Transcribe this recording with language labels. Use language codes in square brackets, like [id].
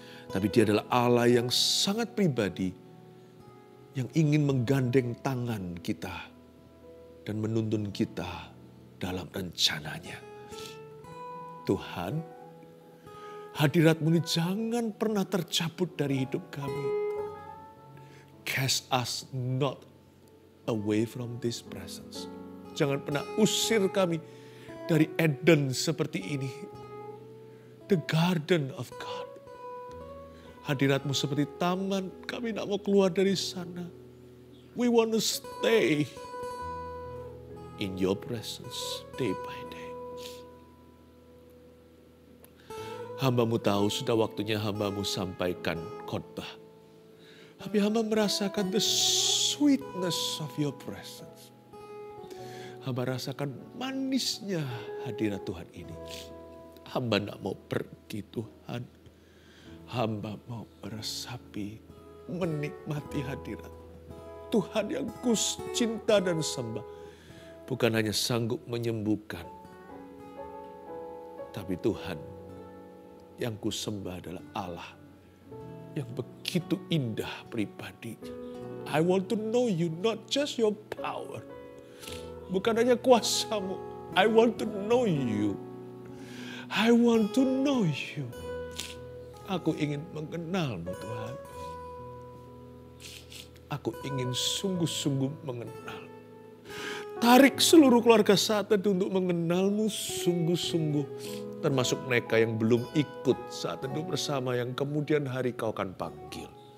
[id] Tapi Dia adalah Allah yang sangat pribadi yang ingin menggandeng tangan kita dan menuntun kita dalam rencananya. Tuhan, hadirat-Mu ini jangan pernah tercabut dari hidup kami. [en] cast us not away from this presence. [id] Jangan pernah usir kami dari Eden seperti ini. [en] The garden of God. [id] Hadirat-Mu seperti taman, kami tidak mau keluar dari sana. [en] We want to stay in your presence day by day. [id] Hamba-Mu tahu sudah waktunya hamba-Mu sampaikan khotbah. Tapi hamba merasakan [en] the sweetness of your presence. [id] Hamba rasakan manisnya hadirat Tuhan ini. Hamba tidak mau pergi Tuhan. Hamba mau meresapi, menikmati hadirat Tuhan yang ku cinta dan sembah. Bukan hanya sanggup menyembuhkan, tapi Tuhan yang ku sembah adalah Allah yang begitu indah pribadinya. [en] I want to know you, not just your power. [id] Bukan hanya kuasamu, [en] I want to know you. I want to know you. [id] Aku ingin mengenal-Mu Tuhan. Aku ingin sungguh-sungguh mengenal. Tarik seluruh keluarga saat itu untuk mengenal-Mu sungguh-sungguh. Termasuk mereka yang belum ikut saat itu bersama yang kemudian hari Kau akan panggil.